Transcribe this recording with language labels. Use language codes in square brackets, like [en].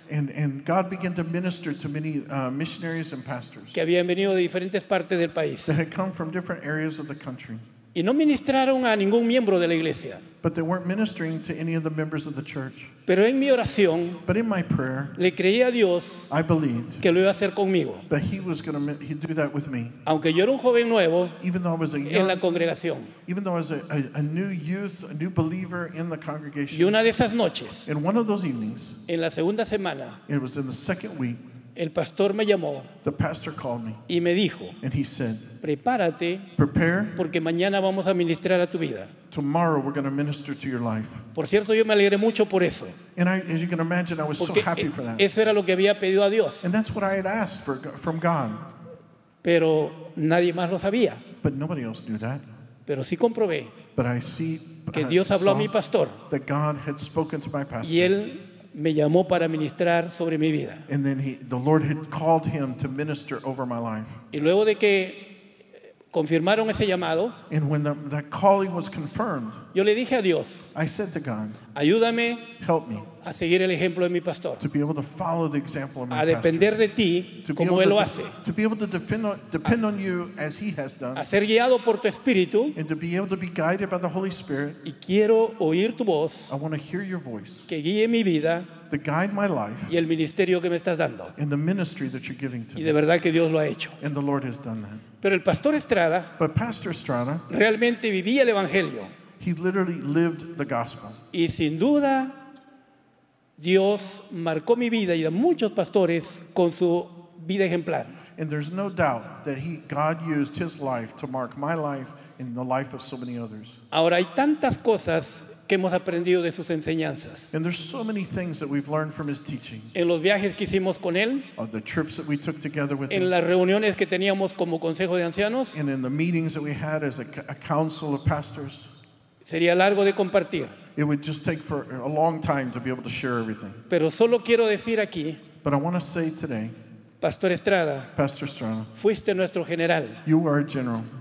[en] And God began to minister to many missionaries and pastors. [es] Que habían venido de diferentes partes del país. [en] That had come from different areas of the country. [es] Y no ministraron a ningún miembro de la iglesia. [en] But they weren't ministering to any of the members of the church. [es] Pero en mi oración, [en] but in my prayer, [es] le creí a Dios, [en] I believed [es] que lo iba a hacer conmigo. [en] That he was going to do that with me. [es] Aunque yo era un joven nuevo, [en] even though I was a young, [es] en la congregación. [en] Even though I was a new youth, a new believer in the congregation. [es] Y una de esas noches, [en] in one of those evenings, [es] en la segunda semana, [en] it was in the second week, [es] el pastor me llamó. [en] The pastor called me. [es] Y me dijo. [en] And he said. [es] Prepárate. [en] Prepare. [es] Porque mañana vamos a ministrar a tu vida. [en] Tomorrow we're going to minister to your life. [es] Por cierto, yo me alegré mucho por eso. [en] And I, as you can imagine, I was [es] porque [en] so happy for that. [es] Eso era lo que había pedido a Dios. [en] And that's what I had asked for, from God. [es] Pero nadie más lo sabía. [en] But nobody else knew that. [es] Pero sí comprobé. [en] But I see. [es] Que Dios habló a mi pastor. [en] That God had spoken to my pastor. [es] Y él me llamó para ministrar sobre mi vida. [en] And then the Lord had called him to minister over my life. [es] Y luego de que confirmaron ese llamado, [en] and when that calling was confirmed, [es] yo le dije a Dios, [en] I said to God, [es] ayúdame, [en] help me, [es] a seguir el ejemplo de mi pastor, [en] to be able to follow the example of my pastor, [es] a depender de ti como él lo hace, [en] to be able to depend on you as he has done, [es] a ser guiado por tu espíritu, [en] and to be able to be guided by the Holy Spirit, [es] y quiero oír tu voz, [en] I want to hear your voice, [es] que guíe mi vida, [en] to guide my life, [es] y el ministerio que me estás dando, [en] and the ministry that you're giving to me, [es] y de verdad que Dios lo ha hecho, [en] and the Lord has done that. [es] Pero el pastor Estrada, [en] but Pastor Estrada, [es] realmente vivía el evangelio, [en] he literally lived the gospel, [es] y sin duda Dios marcó mi vida y a muchos pastores con su vida ejemplar. [en] And there's no doubt that God used his life to mark my life and the life of so many others. [es] Ahora hay tantas cosas que hemos aprendido de sus enseñanzas. [en] And there's so many things that we've learned from his teachings. [es] En los viajes que hicimos con él. [en] On the trips that we took together with [es] en En las reuniones que teníamos como consejo de ancianos. [en] And in the meetings that we had as a council of pastors. [es] Sería largo de compartir. [en] It would just take for a long time to be able to share everything. [es] Pero solo quiero decir aquí, [en] but I want to say today, [es] Pastor Estrada, fuiste nuestro general. [en] You are a general.